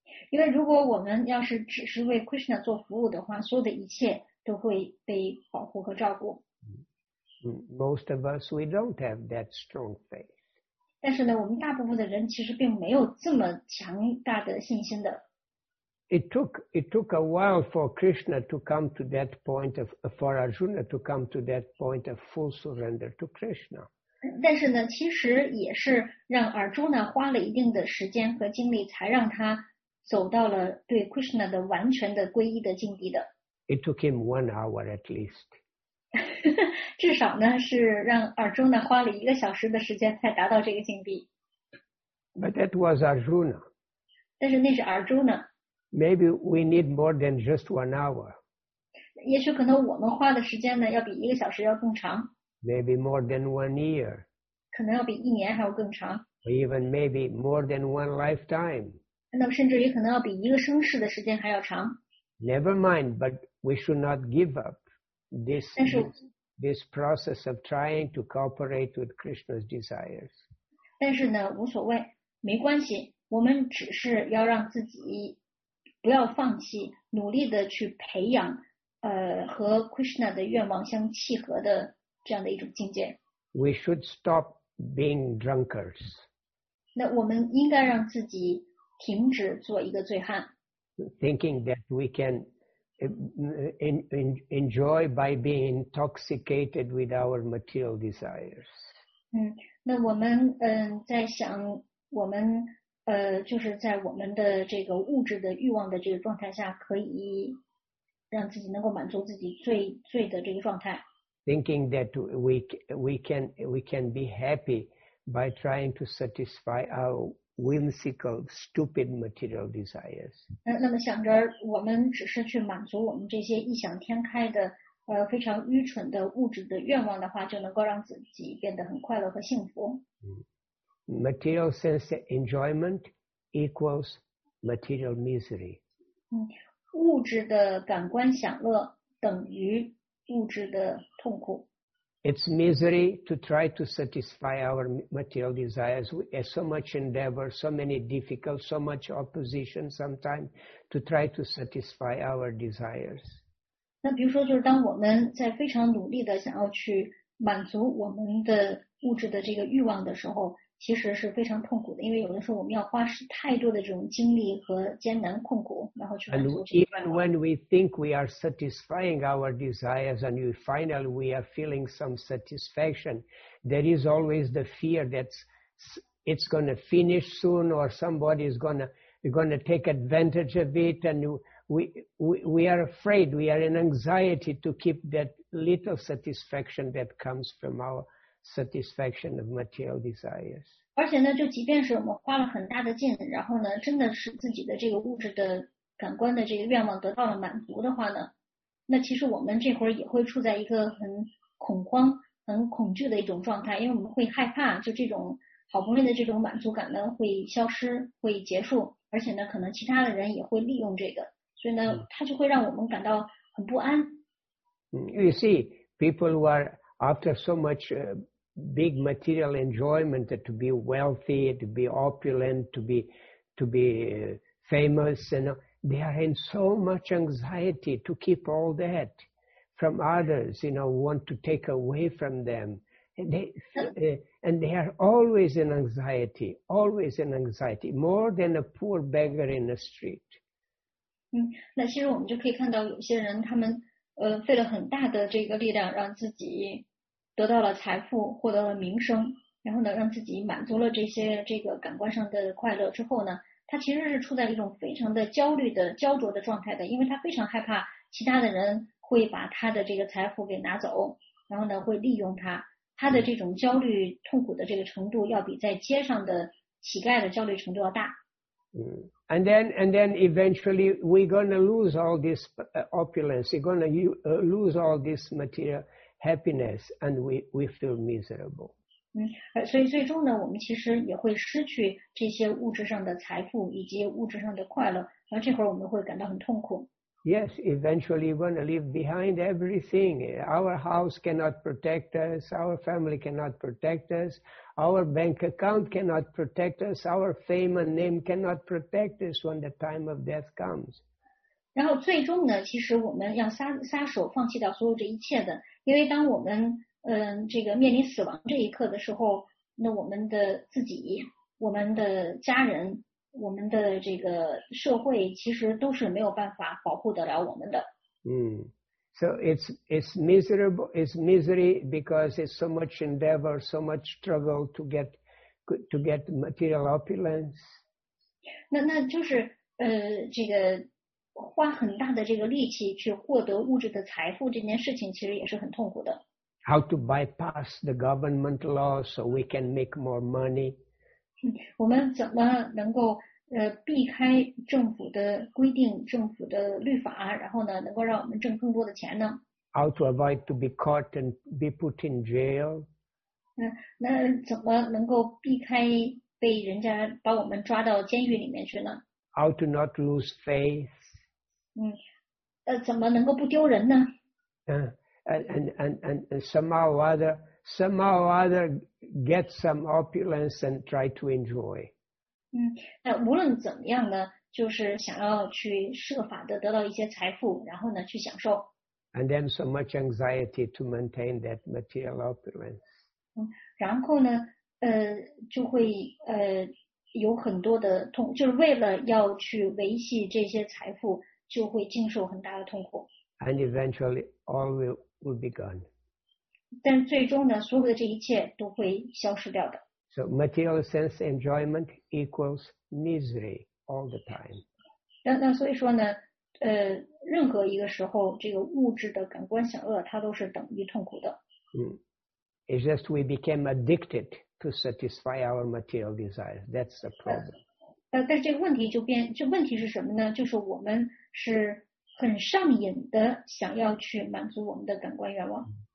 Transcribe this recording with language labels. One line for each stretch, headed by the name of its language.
Chinese: 因为如果我们要是只是为 Krishna 做服务的话，所有的一切都会被保护和照顾。
English: Most of us, we don't have that strong faith.
Chinese: 但是呢，我们大部分的人其实并没有这么强大的信心的。
English: It took a while for Krishna to come to that point of, for Arjuna to come to that point of full surrender to Krishna.
Chinese: 但是呢，其实也是让尔朱呢花了一定的时间和精力，才让他走到了对 Krishna 的完全的皈依的境地的。
English: It took him 1 hour at least.
Chinese: 至少呢是让尔朱呢花了一个小时的时间才达到这个境地。
English: But that was Arjuna.
Chinese: 但是那是尔朱呢。
English: Maybe we need more than just 1 hour.
Chinese: 也许可能我们花的时间呢要比一个小时要更长。
English: Maybe more than 1 year.
Chinese: 可能要比一年还要更长。
English: Or even maybe more than 1 lifetime.
Chinese: 那甚至也可能要比一个生世的时间还要长。
English: Never mind, but we should not give up this process of trying to cooperate with Krishna's desires.
Chinese: 但是呢，无所谓，没关系，我们只是要让自己不要放弃，努力的去培养，和 Krishna 的愿望相契合的。这样的一种境界。
English: We should stop being drunkards.
Chinese: 那我们应该让自己停止做一个醉汉。
English: Thinking that we can enjoy by being intoxicated with our material desires.
Chinese: 那我们在想我们就是在我们的这个物质的欲望的这个状态下，可以让自己能够满足自己醉的这个状态。
English: Thinking that we can be happy by trying to satisfy our whimsical, stupid material desires.
Chinese: 那么想着我们只是去满足我们这些异想天开的 非常愚蠢的物质的愿望的话，就能够让自己变得很快乐和幸福。
English: Material sense enjoyment equals material misery.
Chinese: 物质的感官享乐等于物质的痛苦。
English: It's misery to try to satisfy our material desires. We have so much endeavor, so many difficult, so much opposition sometimes to try to satisfy our desires.
Chinese: 那比如说就是当我们在非常努力的想要去满足我们的物质的这个欲望的时候，其实是非常痛苦的，因为有的时候我们要花太多的这种精力和艰难困苦，然后去满足这个欲望。
English: And even when we think we are satisfying our desires and we finally we are feeling some satisfaction, there is always the fear that it's going to finish soon or somebody is going to take advantage of it and we are afraid, we are in anxiety to keep that little satisfaction that comes from our satisfaction of material desires.
Chinese: 而且呢，就即便是我们花了很大的劲，然后呢，真的是自己的这个物质的感官的这个愿望得到了满足的话呢，那其实我们这会儿也会处在一个很恐慌、很恐惧的一种状态，因为我们会害怕，就这种好不容易的这种满足感呢会消失、会结束，而且呢，可能其他的人也会利用这个。所以呢，它就会让我们感到很不安。
English: You see, people who are after so much big material enjoyment, to be wealthy, to be opulent, to be famous, you know, they are in so much anxiety to keep all that from others, you know, want to take away from them. And they are always in anxiety, always in anxiety, more than a poor beggar in the street.
Chinese: 那其实我们就可以看到有些人他们费了很大的这个力量让自己得到了财富，获得了名声，然后呢让自己满足了这些这个感官上的快乐之后呢，他其实是处在一种非常的焦虑的焦灼的状态的，因为他非常害怕其他的人会把他的这个财富给拿走，然后呢会利用他，他的这种焦虑痛苦的这个程度要比在街上的乞丐的焦虑程度要大。
English: And then eventually we're going to lose all this opulence, we're going to lose all this material happiness, and we feel miserable.
Chinese: 所以最终呢，我们其实也会失去这些物质上的财富以及物质上的快乐，然后这会儿我们会感到很痛苦。
English: Yes, eventually we're going to leave behind everything. Our house cannot protect us, our family cannot protect us, our bank account cannot protect us, our fame and name cannot protect us when the time of death comes.
Chinese: 然后最终呢，其实我们要撒手放弃掉所有这一切的，因为当我们这个面临死亡这一刻的时候，那我们的自己、我们的家人、我们的这个社会其实都是没有办法保护得了我们的。
English: So it's miserable, it's misery because it's so much endeavor, so much struggle to get material opulence.
Chinese: 那就是这个花很大的这个力气去获得物质的财富这件事情其实也是很痛苦的。
English: How to bypass the government law so we can make more money?
Chinese: 我们怎么能够避开政府的规定、政府的律法，然后呢，能够让我们挣更多的钱呢
English: ？How to avoid to be caught and be put in jail？
Chinese: 那怎么能够避开被人家把我们抓到监狱里面去呢
English: ？How to not lose faith？
Chinese: 怎么能够不丢人呢
English: ？And somehow or other。 Somehow or other get some opulence and try to enjoy.
Chinese: 那无论怎么样呢，就是想要去设法的得到一些财富，然后呢去享受。
English: And then so much anxiety to maintain that material opulence.
Chinese: 然后呢，就会有很多的痛，就是为了要去维系这些财富，就会经受很大的痛苦。
English: And eventually all will be gone.
Chinese: 但最终呢，所有的这一切都会消失掉的。
English: So material sense enjoyment equals misery all the time.
Chinese: 那所以说呢，任何一个时候，这个物质的感官享乐，它都是等于痛苦的。
English: It's just we became addicted to satisfy our material desires. That's the problem.
Chinese: 但是这个问题就变，这问题是什么呢？就是我们是很上瘾的，想要去满足我们的感官愿望。